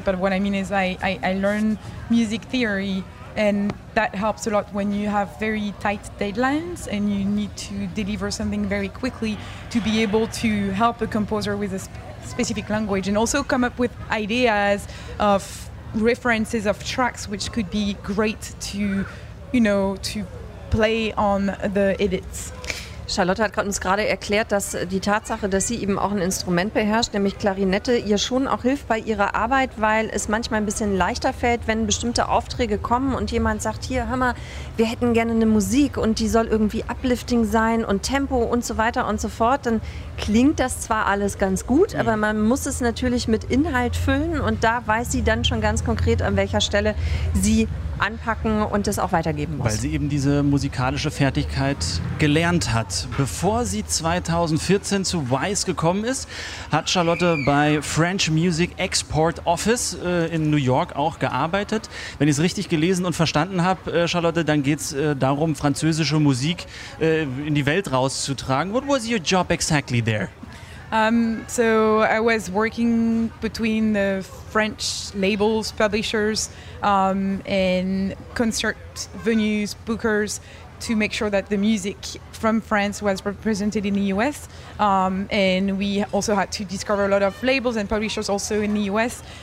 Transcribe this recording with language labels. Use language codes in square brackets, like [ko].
[en] But what I mean is I learn music theory, and that helps a lot when you have very tight deadlines and you need to deliver something very quickly to be able to help a composer with a specific language and also come up with ideas of references of tracks which could be great to, you know, to play on the edits. [de] Charlotte hat uns gerade erklärt, dass die Tatsache, dass sie eben auch ein Instrument beherrscht, nämlich Klarinette, ihr schon auch hilft bei ihrer Arbeit, weil es manchmal ein bisschen leichter fällt, wenn bestimmte Aufträge kommen und jemand sagt, hier, hör mal, wir hätten gerne eine Musik und die soll irgendwie uplifting sein und Tempo und so weiter und so fort, dann klingt das zwar alles ganz gut, aber man muss es natürlich mit Inhalt füllen und da weiß sie dann schon ganz konkret, an welcher Stelle sie anpacken und das auch weitergeben muss. Weil sie eben diese musikalische Fertigkeit gelernt hat. Bevor sie 2014 zu Vice gekommen ist, hat Charlotte bei French Music Export Office in New York auch gearbeitet. Wenn ich es richtig gelesen und verstanden habe, Charlotte, dann geht es darum, französische Musik in die Welt rauszutragen. [en] What was your job exactly there? So I was working between the French labels, publishers, and concert venues, bookers, to make sure that the music from France was represented in the US. And we also had to discover a lot of labels and publishers also in the US.